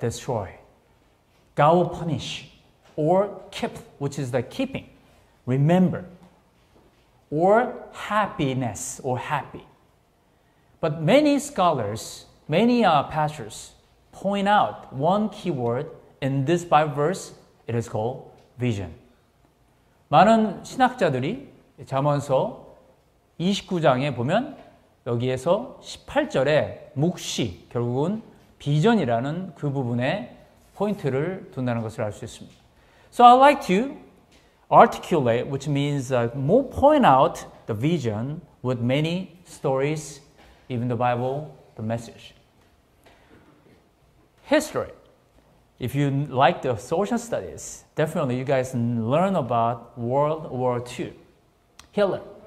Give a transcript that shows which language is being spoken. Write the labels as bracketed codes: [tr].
[en] Destroy. God will punish. Or keep, which is the keeping. Remember. Or happiness, or happy. But many scholars, many pastors point out one keyword in this Bible verse. It is called vision. [ko] 많은 신학자들이 잠언서 29장에 보면 여기에서 18절에 묵시, 결국은 비전이라는 그 부분에 포인트를 둔다는 것을 알 수 있습니다. [en] So I'd like to articulate, which means more point out the vision with many stories, even the Bible, the message. History. If you like the social studies, definitely you guys learn about World War II. Hitler.